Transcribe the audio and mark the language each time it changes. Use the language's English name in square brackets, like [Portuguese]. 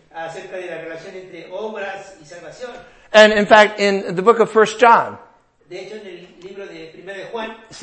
[Spanish] Acerca de la relación entre obras y salvación. [English] And in fact, in the book of 1 John, [Spanish] de hecho, en el libro de Primera de Juan,